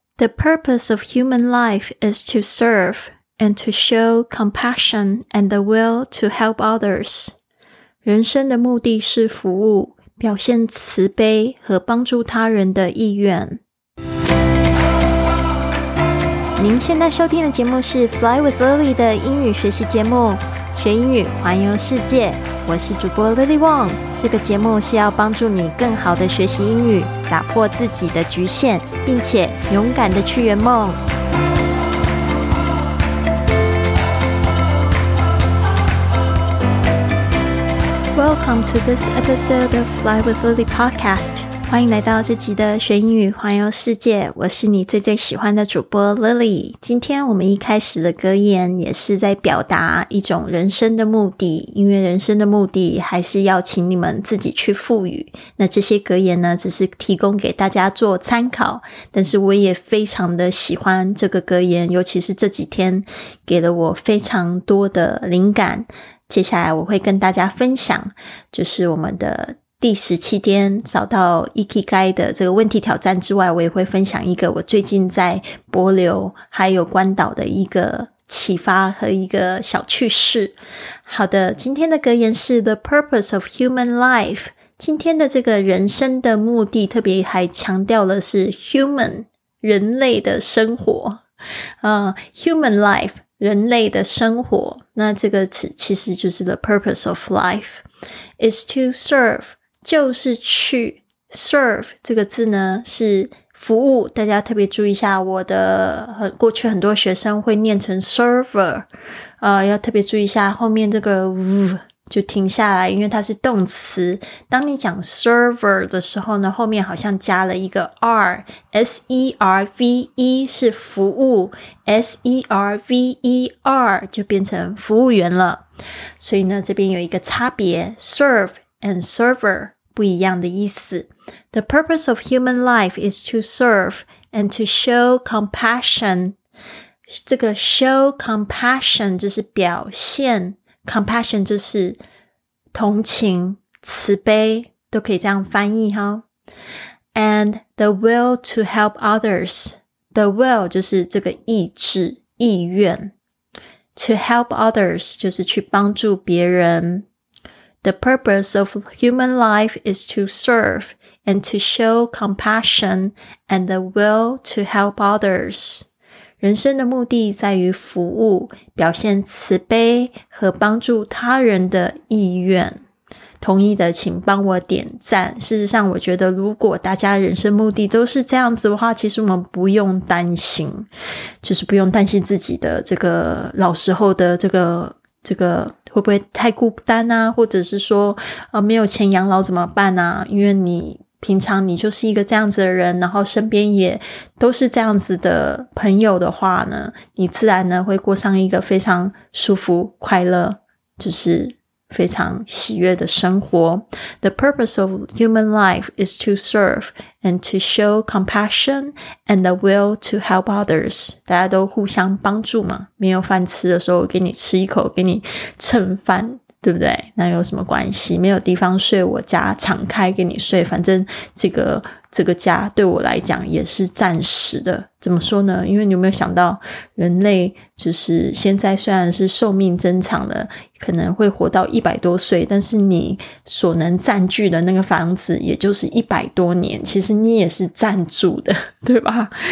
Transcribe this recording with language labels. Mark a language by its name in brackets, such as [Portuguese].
[English] The purpose of human life is to serve and to show compassion and the will to help others. [Chinese] 人生的目的是服务，表现慈悲和帮助他人的意愿。您现在收听的节目是 Fly with Lily 的英语学习节目，学英语环游世界。我是主播 Lily Wong， 这个节目是要帮助你更好的学习英语，打破自己的局限，并且勇敢的去圆梦。 [English] Welcome to this episode of Fly with Lily podcast. [Chinese] 欢迎来到这集的学英语环游世界，我是你最最喜欢的主播 Lily。今天我们一开始的格言也是在表达一种人生的目的，因为人生的目的还是要请你们自己去赋予。那这些格言呢，只是提供给大家做参考，但是我也非常的喜欢这个格言，尤其是这几天给了我非常多的灵感。接下来我会跟大家分享，就是我们的第17天找到 Ikigai 的这个问题挑战之外，我也会分享一个我最近在帛琉还有关岛的一个启发和一个小趣事。好的，今天的格言是 [English] The purpose of human life。 [Chinese] 今天的这个人生的目的特别还强调的是 human， 人类的生活，human life，人类的生活。那这个词其实就是 [English] the purpose of life is to serve， [Chinese] 就是去 serve。这个字呢是服务，大家特别注意一下，我的过去很多学生会念成 server， 要特别注意一下后面这个 v 就停下来，因为它是动词。当你讲 server 的时候呢，后面好像加了一个 r， s-e-r-v-e 是服务， s-e-r-v-e-r 就变成服务员了。所以呢，这边有一个差别， serve and server 不一样的意思。 [English] The purpose of human life is to serve and to show compassion。 [Chinese] 这个 show compassion 就是表现，compassion 就是同情、慈悲，都可以这样翻译哈。 [English] And the will to help others. [Chinese] The will 就是这个意志、意愿。 [English] To help others [Chinese] 就是去帮助别人。 [English] The purpose of human life is to serve and to show compassion and the will to help others. [Chinese] 人生的目的在于服务，表现慈悲和帮助他人的意愿。同意的请帮我点赞。事实上我觉得如果大家人生目的都是这样子的话，其实我们不用担心，就是不用担心自己的这个老时候的这个会不会太孤单啊，或者是说没有钱养老怎么办啊，因为你平常你就是一个这样子的人，然后身边也都是这样子的朋友的话呢，你自然呢会过上一个非常舒服、快乐，就是非常喜悦的生活。 [English] The purpose of human life is to serve and to show compassion and the will to help others. [Chinese] 大家都互相帮助嘛，没有饭吃的时候给你吃一口，给你蹭饭，对不对？那有什么关系？没有地方睡，我家敞开给你睡。反正这个家对我来讲也是暂时的。怎么说呢？因为你有没有想到，人类就是现在虽然是寿命增长了，可能会活到100多岁，但是你所能占据的那个房子也就是100多年，其实你也是暂住的，对吧？